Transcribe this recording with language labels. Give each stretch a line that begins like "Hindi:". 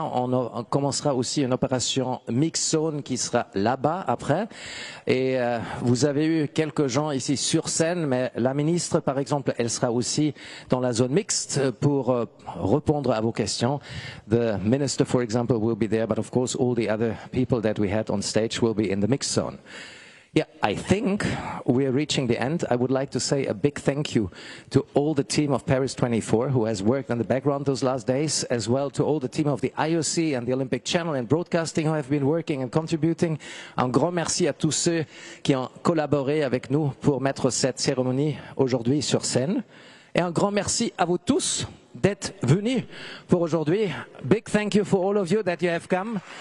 French: On commencera aussi une opération Mix Zone qui sera là-bas après. Et vous avez eu quelques gens ici sur scène, mais la ministre, par exemple, elle sera aussi dans la zone mixte pour répondre à vos questions.
English: The minister, for example, will be there, but of course all the other people that we had on stage will be in the Mix Zone. Yeah, I think we're reaching the end. I would like to say a big thank you to all the team of Paris 24 who has worked in the background those last days, as well to all the team of the IOC and the Olympic Channel and Broadcasting who have been working and contributing.
French: Un grand merci à tous ceux qui ont collaboré avec nous pour mettre cette cérémonie aujourd'hui sur scène. Et un grand merci à vous tous d'être venus pour aujourd'hui.
English: Big thank you for all of you that you have come.